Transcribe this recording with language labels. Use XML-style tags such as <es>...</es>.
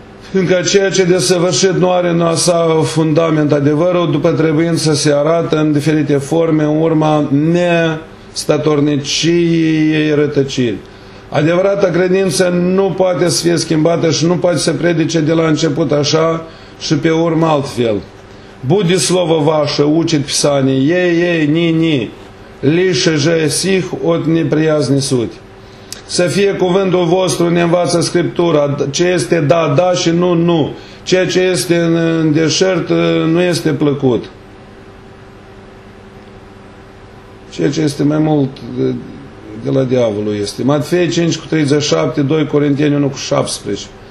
<ro>Fiindcă ceea ce desăvârșit nu are în sa fundament adevărul, după trebuință să se arată în diferite forme, în urma nestatorniciei rătăciri. Adevărata credință nu poate să fie schimbată și nu poate să predice de la început așa și pe urmă altfel.</ro> <cu>Буди слово ваше учить Писание, ей-ей, ни-ни, лише же сих от неприязни суть.</cu> <ro>Să fie cuvântul vostru, ne învață Scriptura, ce este da, da și nu, nu, ceea ce este în deșert nu este plăcut. Ceea ce este mai mult de la diavolul este. Matfei 5:37, 2 Corinteni 1:17.</ro>